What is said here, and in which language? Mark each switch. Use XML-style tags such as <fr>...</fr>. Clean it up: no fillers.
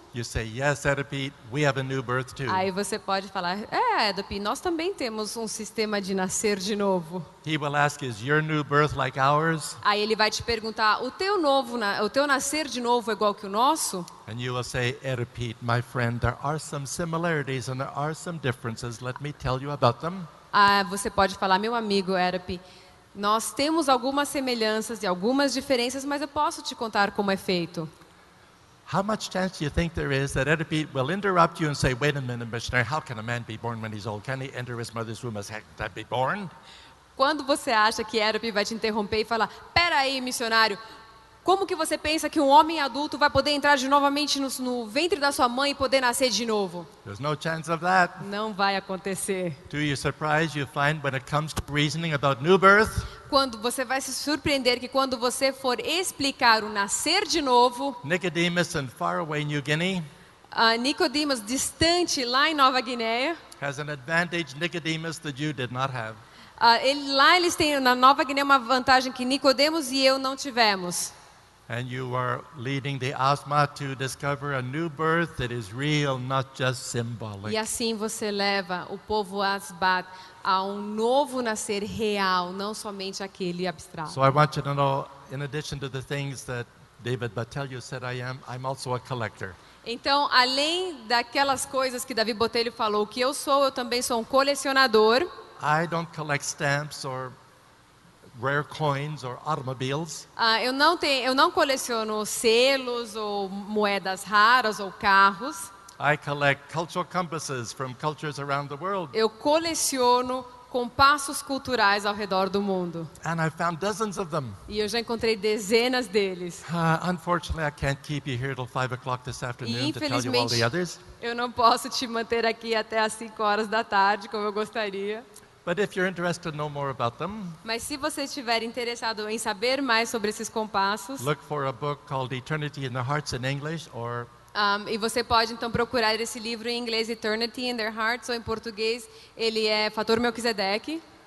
<en>You say, yes, Erapit, we have a new birth too.</en> <pt>Aí você pode falar, Erapit, nós também temos sistema de nascer de novo.</pt> <en>He will ask, is your new birth like ours?</en> <pt>Aí ele vai te perguntar, o teu nascer de novo é igual que o nosso?</pt> <en>And you will say, Erapit, my friend, there are some similarities and there are some differences. Let me tell you about them.</en> <pt>Ah, você pode falar, meu amigo Erapit, nós temos algumas semelhanças e algumas diferenças, mas eu posso te contar como é feito.</pt> <en>How much chance do you think there is that Erapit will interrupt you and say, wait a minute, missionary, how can a man be born when he's old? Can he enter his mother's womb as heck that be born?</en> <pt>Quando você acha que Erapit vai te interromper e falar, peraí, missionário, Como que você pensa que um homem adulto vai poder entrar de novamente no ventre da sua mãe e poder nascer de novo?</pt> <en>There's no chance of that.</en> <pt>Não vai acontecer.</pt> <en>To your surprise, you find when it comes to reasoning about new birth.</en> <pt>Quando você vai se surpreender que quando você for explicar o nascer de novo,</pt> <en>Nicodemus in faraway New Guinea.</en> <pt>Nicodemus distante lá em Nova Guiné.</pt> <en>Has an advantage Nicodemus that you did not have.</en> <pt>Eles têm na Nova Guiné uma vantagem que Nicodemus e eu não tivemos.</pt> <en>And you are leading the Asma to discover a new birth that is real, not just symbolic.</en> <pt>E assim você leva o povo Asbat a um novo nascer real, não somente aquele abstrato.</pt> <en>So I want you to know, in addition to the things that David Botelho said I am, I'm also a collector.</en> <pt>Então, além daquelas coisas que David Botelho falou que eu também sou um colecionador.</pt> <en>I don't collect stamps or rare coins or automobiles.</en> <pt>Eu não coleciono selos ou moedas raras ou carros.</pt> <en>I collect cultural compasses from cultures around the world.</en> <pt>Eu coleciono compassos culturais ao redor do mundo.</pt> <en>And I found dozens of them.</en> <pt>E eu já encontrei dezenas deles.</pt> <en>Unfortunately, I can't keep you here till 5 o'clock this afternoon to tell you all the others.</en> <pt>Eu não posso te manter aqui até as 5 horas da tarde, como eu gostaria.</pt> <en>But if you're interested to know more about them,</en> <pt>mas se você estiver interessado em saber mais sobre esses compassos,</pt> <en>look for a book called Eternity in Their Hearts in English, or</en> <pt>E você pode então procurar esse livro em inglês, Eternity in Their Hearts, ou em português ele é Fator Melquisedeque,</pt>